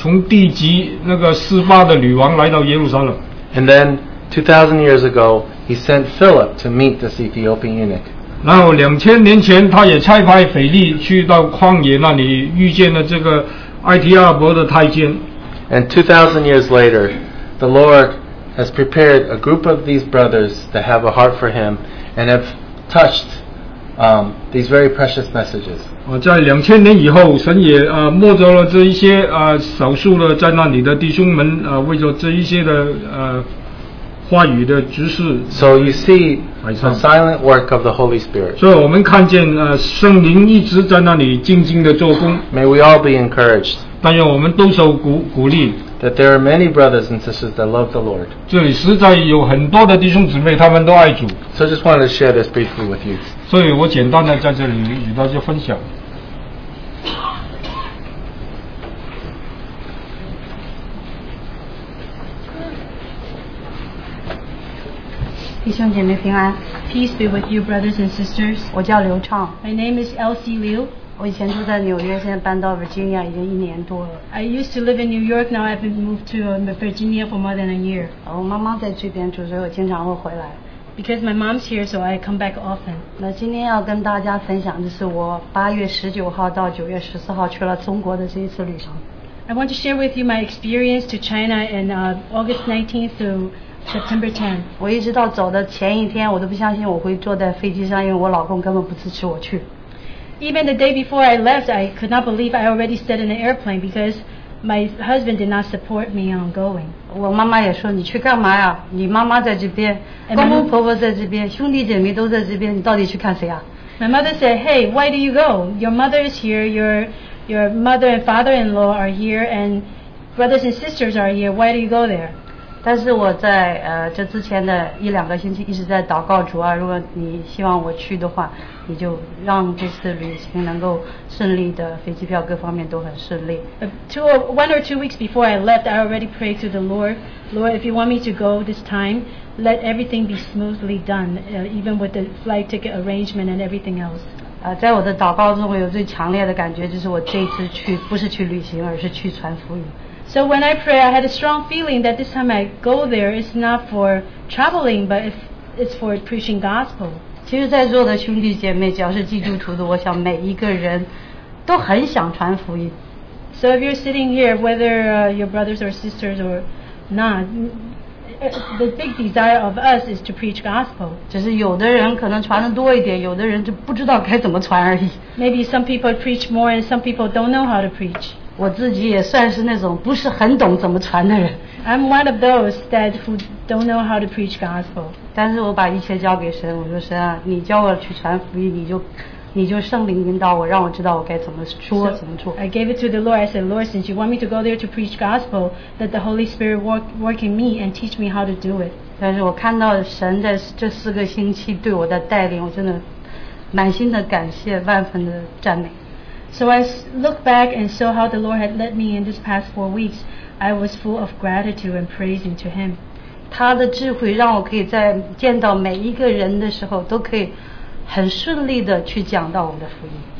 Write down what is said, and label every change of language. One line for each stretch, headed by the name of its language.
Chinese: 我还记得在旧约里面有一个故事，就是从地极南方的女王，从地极那个示巴的女王来到耶路撒冷。
English: And then 2,000 years ago, he sent Philip to meet this Ethiopian eunuch.
Chinese: 然后2,000年前，他也差派腓力去到旷野那里遇见了这个埃提阿伯的太监。
English: And 2,000 years later, the Lord has prepared a group of these brothers that have a heart for him and have touched these very precious messages.
Chinese: 在2000年以后，神也摸着了这一些少数的在那里的弟兄们，为着这一些的话语的指示。
English: So you see the silent work of the Holy Spirit.
Chinese: 所以我们看见圣灵一直在那里静静的做工。
English: May we all be encouraged.
Chinese: 但愿我们都受鼓励。
English: That there are many brothers and sisters that love the Lord.
Chinese: 这里实在有很多的弟兄姊妹，他们都爱主。
English: So I just wanted to share this briefly with you.
Chinese: 所以我简单的在这里与大家分享。弟兄姐妹平安。
English: Peace be with you, brothers and sisters.
Chinese: 我叫刘畅。
English: My name is Elsie Liu.
Chinese: 我以前住在纽约，现在搬到 Virginia 已经一年多了。
English: I used to live in New York, now I've moved to Virginia for more than a year.
Chinese: 我妈妈在这边住，所以我经常会回来。
English: Because my mom's here, so I come back often.
Chinese: 那今天要跟大家分享的是我8月19号到9月14号去了中国的这一次旅程。
English: I want to share with you my experience to China in August 19th through September 10th.
Chinese: 我一直到走的前一天，我都不相信我会坐在飞机上，因为我老公根本不支持我去。
English: Even the day before I left, I could not believe I already sat in an airplane because my husband did not support me on going.
Chinese: 我妈妈也说，你去干嘛呀？你妈妈在这边，公公婆婆在这边，兄弟姐妹都在这边，你到底去看谁啊？
English: My mother said, hey, why do you go? Your mother is here, your mother and father-in-law are here, and brothers and sisters are here. Why do you go there?
Chinese: 但是我在这之前的一两个星期一直在祷告主啊，如果你希望我去的话，你就让这次旅行能够顺利的，飞机票各方面都很顺利。
English: 1 or 2 weeks before I left, I already prayed to the Lord. Lord, if you want me to go this time, let everything be smoothly done, even with the flight ticket arrangement and everything else.
Chinese: 在我的祷告中，我有最强烈的感觉，就是我这次去不是去旅行，而是去传福音。
English: So when I pray, I had a strong feeling that this time I go there is not for traveling, but it's for preaching gospel.
Chinese: 其实在座的兄弟姐妹，只要是基督徒的，我想每一个人都很想传福音。
English: So if you're sitting here, whether your brothers or sisters or not, the big desire of us is to preach gospel.
Chinese: 只是有的人可能传的多一点，有的人就不知道该怎么传而已。
English: Maybe some people preach more and some people don't know how to preach.
Chinese: 我自己也算是那种不是很懂怎么传的人。
English: I'm one of those that who don't know how to preach gospel.
Chinese: 但是我把一切交给神，我说神啊，你教我去传福音，你就圣灵引导我，让我知道我该怎么说，怎么做。
English: I gave it to the Lord. I said, Lord, since you want me to go there to preach gospel, let the Holy Spirit work in me and teach me how to do it.
Chinese: 但是我看到神在这四个星期对我的带领，我真的满心的感谢，万分的赞美。
English: So I look back and saw how the Lord had led me in this past 4 weeks. I was full of gratitude and praising to Him.
Chinese: 他的智慧让我可以在见到每一个人的时候都可以很顺利的去讲到我们的福音。